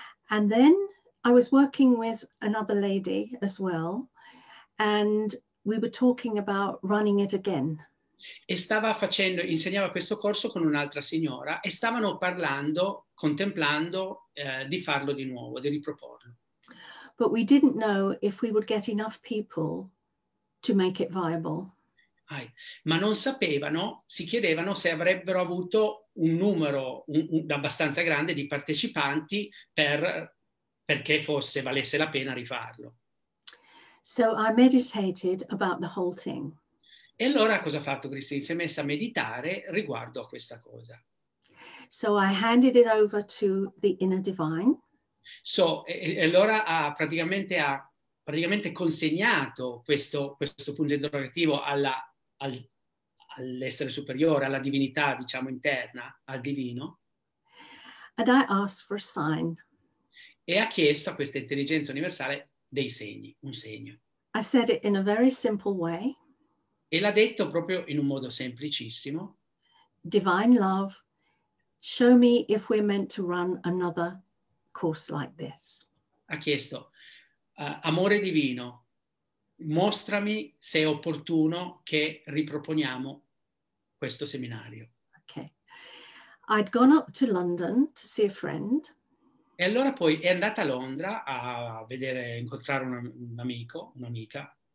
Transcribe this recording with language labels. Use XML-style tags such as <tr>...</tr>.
<en>And then I was working with another lady as well, and we were talking about running it again.</en> <it>E insegnava questo corso con un'altra signora e stavano parlando, contemplando di farlo di nuovo, di riproporlo.</it> <en>But we didn't know if we would get enough people to make it viable.</en> <it>Ma non sapevano, si chiedevano se avrebbero avuto un numero abbastanza grande di partecipanti perché fosse valesse la pena rifarlo.</it> <en>So I meditated about the whole thing.</en> <it>E allora cosa ha fatto Christine? Si è messa a meditare riguardo a questa cosa.</it> <en>So I handed it over to the inner divine.</en> <it>Allora ha praticamente consegnato questo punto interrogativo all'essere superiore, alla divinità, diciamo, interna, al divino.</it> <en>And I asked for a sign.</en> <it>E ha chiesto a questa intelligenza universale dei segni, un segno.</it> <en>I said it in a very simple way.</en> <it>E l'ha detto proprio in un modo semplicissimo.</it> <en>Divine love, show me if we're meant to run another course like this.</en> <it>Ha chiesto, amore divino, mostrami se è opportuno che riproponiamo questo seminario.</it> <en>Okay. I'd gone up to London to see a friend.</en> <it>E allora poi è andata a Londra a vedere, a incontrare un amico, un'amica.</it>